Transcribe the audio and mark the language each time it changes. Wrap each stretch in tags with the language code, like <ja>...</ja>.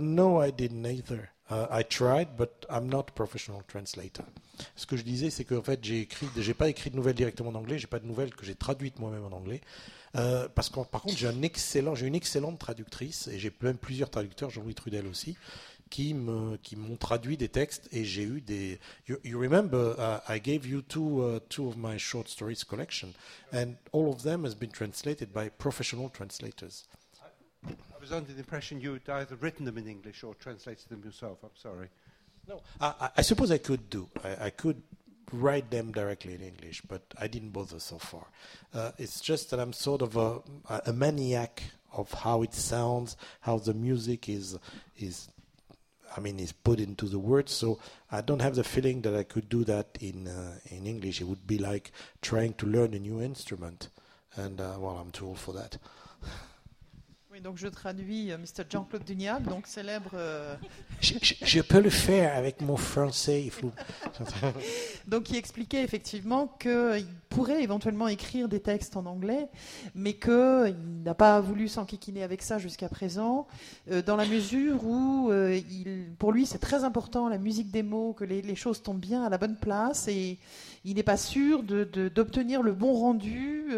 <en>No, I didn't either. I tried, but I'm not a professional translator.</en> <fr>Ce que je disais, c'est qu'en fait, j'ai pas écrit de nouvelles directement en anglais, j'ai pas de nouvelles que j'ai traduites moi-même en anglais. Parce que par contre, j'ai une excellente traductrice, et j'ai même plusieurs traducteurs, Jean-Louis Trudel aussi, qui m'ont traduit des textes, et j'ai eu des...</fr> <en>You remember, I gave you two of my short stories collection, and all of them has been translated by professional translators. I was under the impression you'd either written them in English or translated them yourself, I'm sorry. No, I suppose I could do. I could write them directly in English, but I didn't bother so far. It's just that I'm sort of a maniac of how it sounds, how the music is put into the words. So I don't have the feeling that I could do that in English. It would be like trying to learn a new instrument, and I'm too old for that.</en> <fr>Oui, donc je traduis Mr. Jean-Claude Dunial, donc célèbre... Je peux le faire avec mon français, il faut... Donc il expliquait effectivement qu'il pourrait éventuellement écrire des textes en anglais, mais qu'il n'a pas voulu s'enquiquiner avec ça jusqu'à présent, dans la mesure où, pour lui, c'est très important, la musique des mots, que les choses tombent bien à la bonne place, et il n'est pas sûr d'obtenir le bon rendu.</fr>